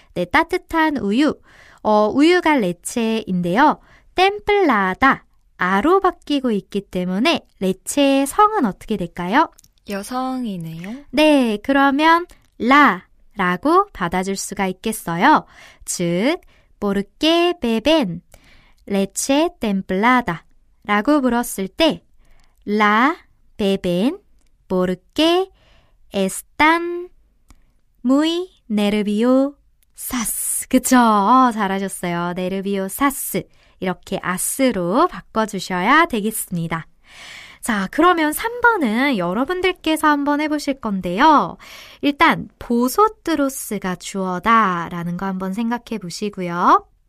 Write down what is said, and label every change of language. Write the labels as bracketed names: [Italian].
[Korean] 네, 따뜻한 우유. 우유가 레체인데요. 템플라다, 아로 바뀌고 있기 때문에 레체의 성은 어떻게 될까요? 여성이네요. 네, 그러면 라고 받아줄 수가 있겠어요. 즉, [Spanish] porque beben leche templada [Korean] 라고 물었을 때 [Spanish] la beben porque están muy nerviosas. [Korean] 그쵸. 잘하셨어요. 네르비오 사스. 이렇게 아스로 바꿔주셔야 되겠습니다. 자, 그러면 3번은 여러분들께서 한번 해보실 건데요. 일단 보소트로스가 주어다라는 거 한번 생각해 보시고요.